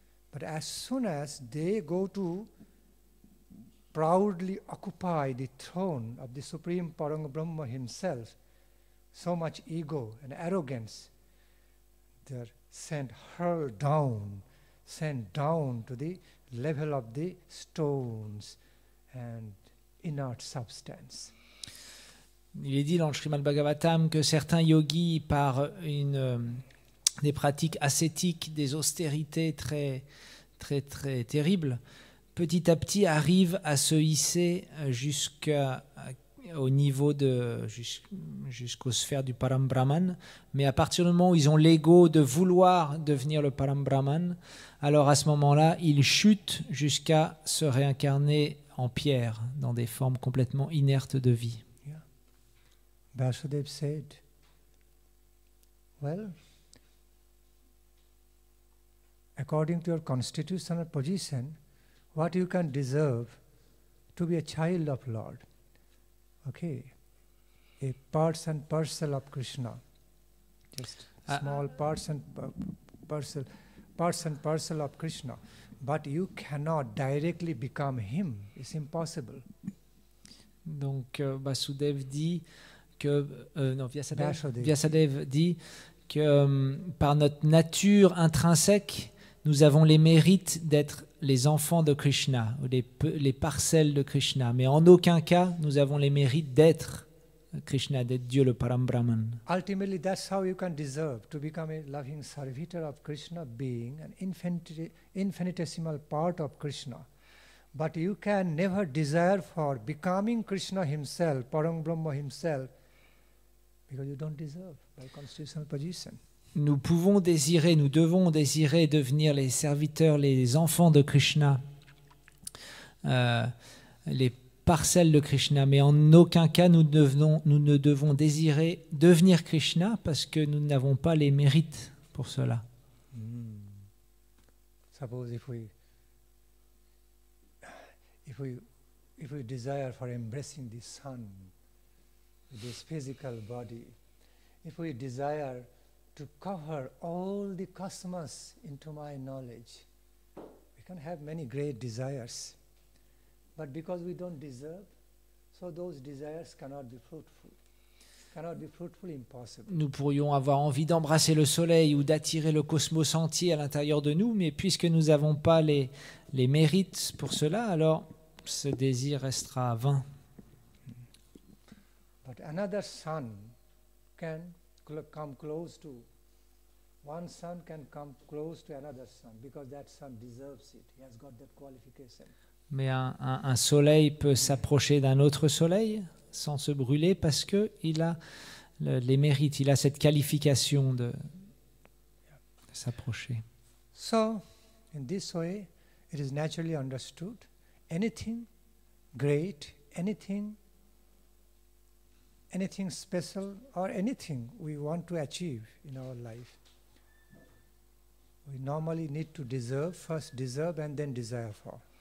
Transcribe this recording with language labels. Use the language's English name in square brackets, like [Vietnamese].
[English] But as soon as they go to proudly occupy the throne of the Supreme Parama Brahma himself, so much ego and arrogance, they're sent down to the level of the stones and inert substance. [French] Il est dit dans le Srimad Bhagavatam que certains yogis, par des pratiques ascétiques, des austérités très, très, très terribles, petit à petit arrivent à se hisser jusqu'aux sphères du Parambrahman, mais à partir du moment où ils ont l'ego de vouloir devenir le Parambrahman, alors à ce moment-là, ils chutent jusqu'à se réincarner en pierre, dans des formes complètement inertes de vie. Yeah. [English] Vasudev said, well, according to your constitutional position, what you can deserve to be a child of Lord, okay, a parts and parcel of Krishna, just small parts and parcel, parts and parcel of Krishna, but you cannot directly become him. It's impossible. [French] Donc Vasudev dit que Vyasadev dit que par notre nature intrinsèque, nous avons les mérites d'être les enfants de Krishna, ou les parcelles de Krishna. Mais en aucun cas, nous avons les mérites d'être Krishna, d'être Dieu, le Parambrahman. [English] Ultimately, that's how you can deserve to become a loving servitor of Krishna, being an infinitesimal part of Krishna. But you can never desire for becoming Krishna himself, Parambrahma himself, because you don't deserve by constitutional position. [French] Nous pouvons désirer, nous devons désirer devenir les serviteurs, les enfants de Krishna, les parcelles de Krishna, mais en aucun cas nous ne devons désirer devenir Krishna parce que nous n'avons pas les mérites pour cela. [English] Suppose if we desire for embracing the sun, this physical body, if we desire to cover all the cosmos into my knowledge. We can have many great desires, but because we don't deserve, so those desires cannot be fruitful. Cannot be fruitful, impossible. [French] Nous pourrions avoir envie d'embrasser le soleil ou d'attirer le cosmos entier à l'intérieur de nous, mais puisque nous n'avons pas les mérites pour cela, alors ce désir restera vain. [English] But another sun can come close to. One sun can come close to another sun because that sun deserves it. He has got that qualification. [French] Mais un soleil peut s'approcher d'un autre soleil sans se brûler parce que il a les mérites, il a cette qualification de s'approcher. [English] So, in this way, it is naturally understood. Anything great, anything special, or anything we want to achieve in our life, we normally need to deserve, first deserve and then desire for.